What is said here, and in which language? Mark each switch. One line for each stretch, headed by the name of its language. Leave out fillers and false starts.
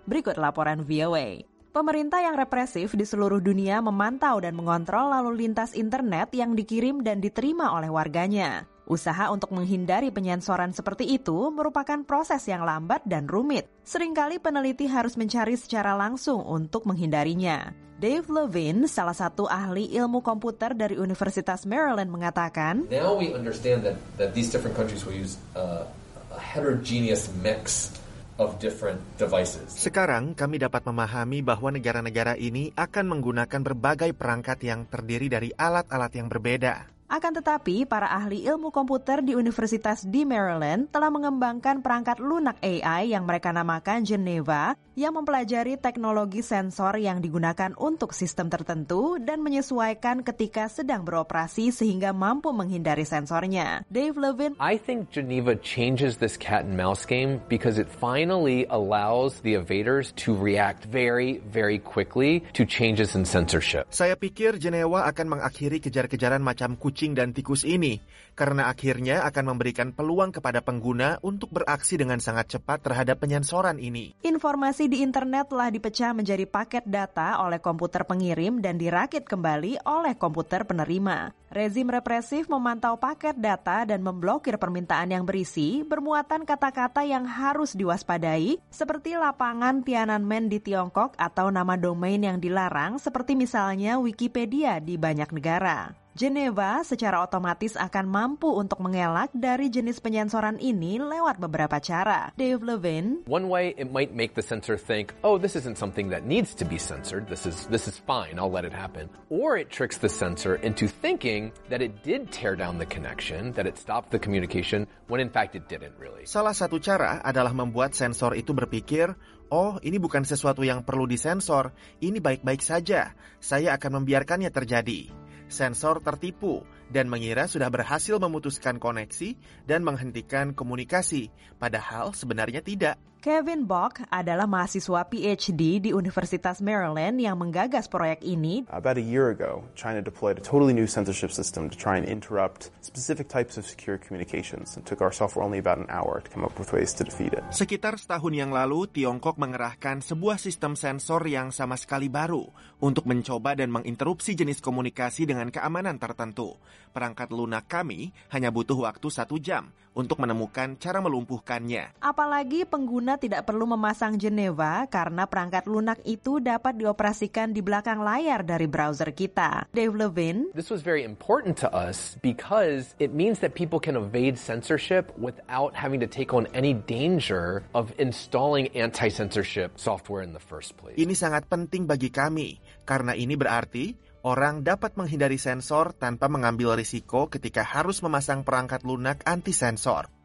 Indonesian: Berikut laporan VOA. Pemerintah yang represif di seluruh dunia memantau dan mengontrol lalu lintas internet yang dikirim dan diterima oleh warganya. Usaha untuk menghindari penyensoran seperti itu merupakan proses yang lambat dan rumit. Seringkali peneliti harus mencari secara langsung untuk menghindarinya. Dave Levine, salah satu ahli ilmu komputer dari Universitas Maryland, mengatakan,
English: "Now we understand that these different countries will use a heterogeneous mix of different devices."
Indonesian: Sekarang kami dapat memahami bahwa negara-negara ini akan menggunakan berbagai perangkat yang terdiri dari alat-alat yang berbeda. Akan tetapi, para ahli ilmu komputer di Universitas di Maryland telah mengembangkan perangkat lunak AI yang mereka namakan Geneva, yang mempelajari teknologi sensor yang digunakan untuk sistem tertentu dan menyesuaikan ketika sedang beroperasi sehingga mampu menghindari sensornya. Dave Levin,
English: "I think Geneva changes this cat and mouse game because it finally allows the evaders to react very, very quickly to changes in censorship."
Indonesian: Saya pikir Geneva akan mengakhiri kejar-kejaran macam kucing dan tikus ini, karena akhirnya akan memberikan peluang kepada pengguna untuk beraksi dengan sangat cepat terhadap penyensoran ini. Informasi di internet telah dipecah menjadi paket data oleh komputer pengirim dan dirakit kembali oleh komputer penerima. Rezim represif memantau paket data dan memblokir permintaan yang berisi bermuatan kata-kata yang harus diwaspadai, seperti lapangan Tiananmen di Tiongkok atau nama domain yang dilarang, seperti misalnya Wikipedia di banyak negara. Geneva secara otomatis akan mampu untuk mengelak dari jenis penyensoran ini lewat beberapa cara. Dave Levine,
English: "One way it might make the sensor think, oh, this isn't something that needs to be censored. This is fine. I'll let it happen. Or it tricks the sensor into thinking that it did tear down the connection, that it stopped the communication, when in fact it didn't really."
Indonesian: Salah satu cara adalah membuat sensor itu berpikir, "Oh, ini bukan sesuatu yang perlu disensor. Ini baik-baik saja. Saya akan membiarkannya terjadi." Sensor tertipu dan mengira sudah berhasil memutuskan koneksi dan menghentikan komunikasi, padahal sebenarnya tidak. Kevin Bock adalah mahasiswa PhD di Universitas Maryland yang menggagas proyek ini.
English: About a year ago, China deployed a totally new censorship system to try and interrupt specific types of secure communications, and took our software only about an hour to come up with ways to defeat it.
Indonesian: Sekitar setahun yang lalu, Tiongkok mengerahkan sebuah sistem sensor yang sama sekali baru untuk mencoba dan menginterupsi jenis komunikasi dengan keamanan tertentu. Perangkat lunak kami hanya butuh waktu 1 jam untuk menemukan cara melumpuhkannya. Apalagi pengguna tidak perlu memasang Geneva karena perangkat lunak itu dapat dioperasikan di belakang layar dari browser kita. Dave Levine,
English: "This was very important to us because it means that people can evade censorship without having to take on any danger of installing anti-censorship software in the first place."
Indonesian: Ini sangat penting bagi kami karena ini berarti orang dapat menghindari sensor tanpa mengambil risiko ketika harus memasang perangkat lunak anti-sensor.